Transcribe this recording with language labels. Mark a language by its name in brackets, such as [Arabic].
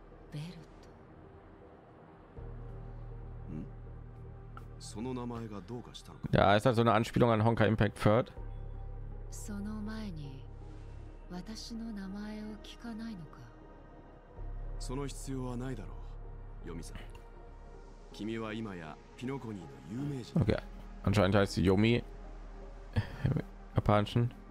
[Japanese] ベルト。ん?その名前がどうかしたのか? [German] Ja, ist halt so eine Anspielung an Honkai Impact Third. [Japanese] その前に私の名前を聞かないのか? その必要はないだろう。 [German] Okay, anscheinend heißt sie Yomi im Japanischen.